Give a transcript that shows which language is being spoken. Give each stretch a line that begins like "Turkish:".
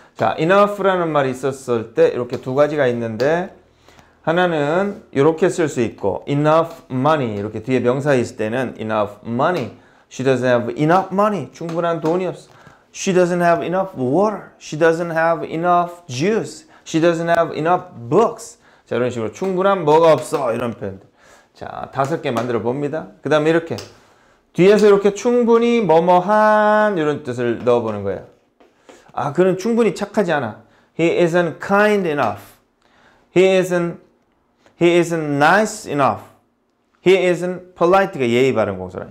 Korean: 자, enough라는 말이 있었을 때 이렇게 두 가지가 있는데 하나는 이렇게 쓸 수 있고
English: enough money
Korean: 이렇게 뒤에 명사 있을 때는 enough money.
English: She doesn't have enough money.
Korean: 충분한 돈이 없어.
English: She doesn't have enough water. She doesn't have enough juice. She doesn't have enough books.
Korean: 자, 이런 식으로 충분한 뭐가 없어. 이런 표현들. 자, 다섯 개 만들어 봅니다. 그 다음에 이렇게 뒤에서 이렇게 충분히 뭐뭐한 이런 뜻을 넣어 보는 거예요. 아, 그는 충분히 착하지 않아.
English: He isn't kind enough. He isn't nice enough. He isn't polite가
Korean: 예의 발음 공사라.